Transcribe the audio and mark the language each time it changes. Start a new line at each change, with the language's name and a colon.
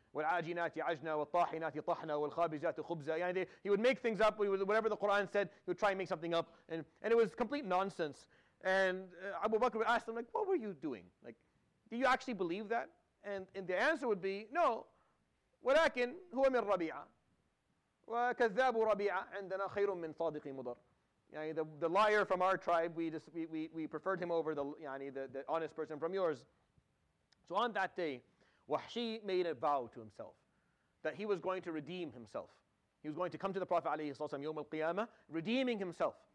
Arabic: والعاجنات عجنا والطاحنات طحنا والخابزات خبزة.
English: Yeah, he would make things up. Whatever the Quran said, he would try and make something up. And it was complete nonsense. And Abu Bakr would ask them, like, what were you doing? Like, do you actually believe that? And the answer would be, no.
Arabic: ولكن هو من ربيعة وكذاب ربيعة عندنا خير من صادق مضر.
English: Yani, the liar from our tribe, we preferred him over the honest person from yours. So on that day, Wahshi made a vow to himself that he was going to redeem himself. He was going to come to the Prophet عليه الصلاة والسلام
Arabic: يوم القيامة,
English: redeeming himself.